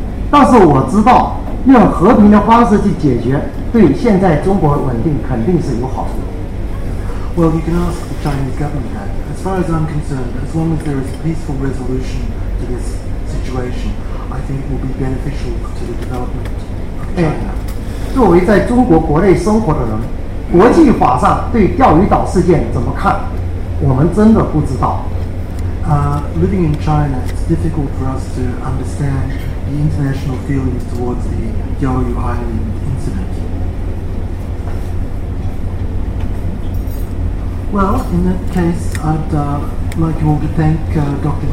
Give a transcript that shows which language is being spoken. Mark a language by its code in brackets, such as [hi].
[zh] 但是我知道用和平的方式去解决对现在中国稳定肯定是有好处的。 [en] Well, you can ask the Chinese government that. As far as I'm concerned, as long as there is a peaceful resolution to this situation, I think it will be beneficial to the development of China. [zh] 作为在中国国内生活的人，国际法上对钓鱼岛事件怎么看，我们真的不知道。 [en] Living in China, it's difficult for us to understand the international feelings towards the Diaoyu Island incident. Well, in that case, I'd like you all to thank Dr.